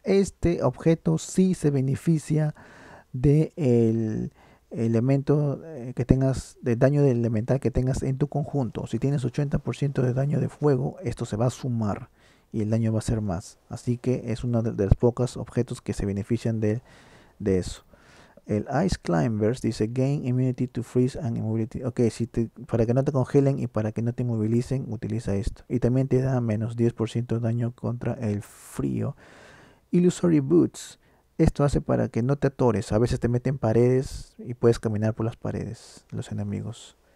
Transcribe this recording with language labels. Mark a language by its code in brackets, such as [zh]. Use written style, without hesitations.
[es] Este objeto sí se beneficia del elemento que tengas, del daño del elemental que tengas en tu conjunto. Si tienes 80% de daño de fuego, esto se va a sumar y el daño va a ser más. Así que es uno de los pocos objetos que se benefician de eso. [en] El Ice Climbers dice gain immunity to freeze and immobility. [es] Ok, si te, para que no te congelen y para que no te inmovilicen, utiliza esto. Y también te da menos 10% daño contra el frío. Illusory Boots. Esto hace para que no te atores. A veces te meten paredes y puedes caminar por las paredes, los enemigos.